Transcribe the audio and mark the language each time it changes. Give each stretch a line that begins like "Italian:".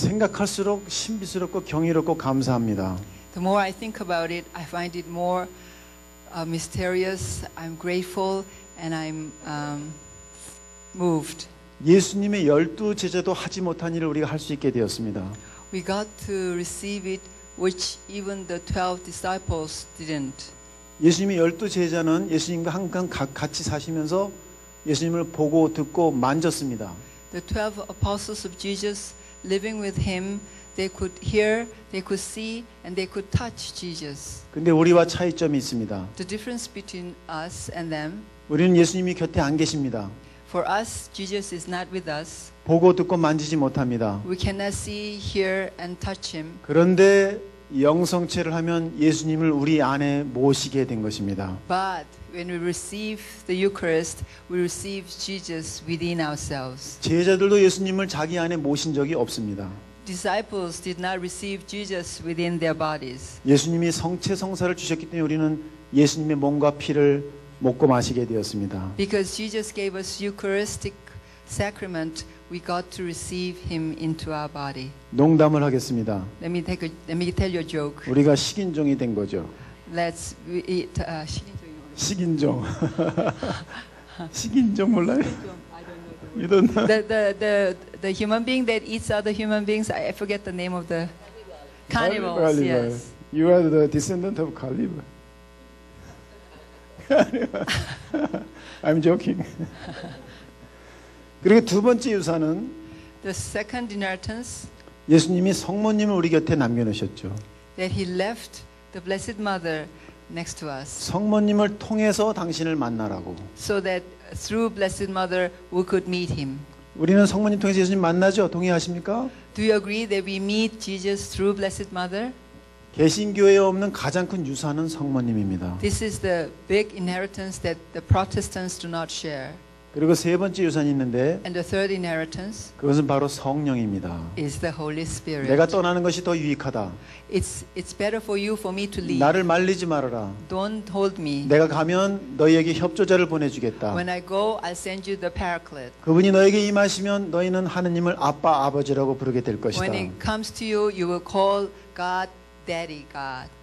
Korean: 생각할수록 신비스럽고 경이롭고 감사합니다.
English: The more I think about it, I find it more mysterious. I'm grateful and I'm moved.
Korean: 예수님의 열두 제자도 하지 못한 일을 우리가 할 수 있게 되었습니다.
English: We got to receive it, which even the 12 disciples didn't.
Korean: 예수님의 열두 제자는 예수님과 항상 같이 사시면서 예수님을 보고 듣고 만졌습니다.
English: The 12 apostles of Jesus living with him, they could hear, they could see, and they could touch Jesus.
Korean: 근데 우리와 차이점이 있습니다.
English: The difference between us and them.
Korean: 우리는 예수님이 곁에 안 계십니다.
English: For us, Jesus is not with us.
Korean: 보고 듣고 만지지 못합니다.
English: We cannot see, hear, and touch him.
Korean: 그런데 영성체를 하면 예수님을 우리 안에 모시게 된 것입니다.
English: But when we receive the Eucharist, we receive Jesus within ourselves.
Korean: 제자들도 예수님을 자기 안에 모신 적이 없습니다.
English: Disciples did not receive Jesus within their bodies.
Korean: 예수님이 성체 성사를 주셨기 때문에 우리는 예수님의 몸과 피를 먹고 마시게 되었습니다.
English: Because Jesus gave us Eucharistic sacrament, we got to receive him into our body.
Korean: 농담을 하겠습니다.
English: Let me tell you a joke.
Korean: 우리가 식인종이 된 거죠.
English: Let's eat 식인종.
Korean: 식인종 몰라요?
English: You don't know. The human being that eats other human beings. I forget the name of the carnivores. Carnivores. Yes. You are the descendant of carnivore. I'm joking.
Korean: 그리고 두 번째 유산은
English: The second inheritance.
Korean: 예수님이 성모님을 우리 곁에 남겨놓으셨죠.
English: That he left the Blessed Mother next to us.
Korean: 성모님을 통해서 당신을 만나라고.
English: So that through Blessed Mother we could meet him.
Korean: 우리는 성모님 통해서 예수님 만나죠. 동의하십니까?
English: Do you agree that we meet Jesus through Blessed Mother?
Korean: 개신교회에 없는 가장 큰 유산은 성모님입니다.
English: This is the big inheritance that the Protestants do not share.
Korean: 그리고 세 번째 유산이 있는데
English: And the third inheritance
Korean: 그것은 바로 성령입니다.
English: Is the Holy Spirit.
Korean: 내가 떠나는 것이 더 유익하다.
English: It's better for you for me to leave.
Korean: 나를 말리지 말아라.
English: Don't hold me.
Korean: 내가 가면 너희에게 협조자를 보내주겠다.
English: When I go, I'll send you the Paraclete.
Korean: 그분이 너에게 임하시면 너희는 하느님을 아빠, 아버지라고 부르게 될 것이다.
English: When he comes to you, you will call God, Daddy, God.